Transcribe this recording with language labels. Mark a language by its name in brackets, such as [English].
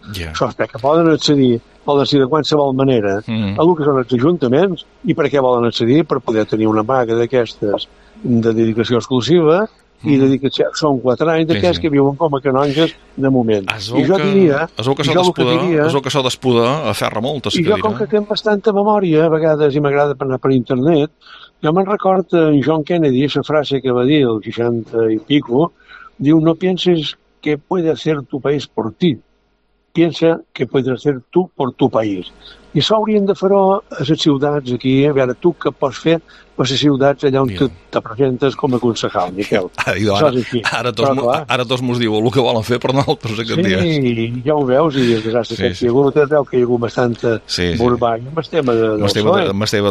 [Catalan] Això és perquè poden accedir, poden accedir de qualsevol manera, a el que són els ajuntaments, i per què volen accedir? Per poder tenir una vaga d'aquestes de dedicació exclusiva, i de dir que són 4 anys d'aquests que viuen com a canonges de moment. I jo diria... És el que s'ha d'espoder, aferra molt, i jo, com que tinc bastanta memòria, a vegades, i m'agrada anar per internet, jo me'n recordo en John Kennedy, la frase que va dir el 60 i pico, diu, [Spanish] no pienses que puede hacer tu país [Catalan] por ti, piensa que puedes hacer tú por tu país. I això haurien de fer-ho a les ciutats aquí, a veure tu què pots fer per les ciutats allà on te presentes com a concejal, Miquel. Ara tots mos diuen el que volen fer, però nosaltres aquests dies. Sí, ja ho veus, i els desastres que hi ha hagut, es veu que hi ha hagut bastant burbany amb el tema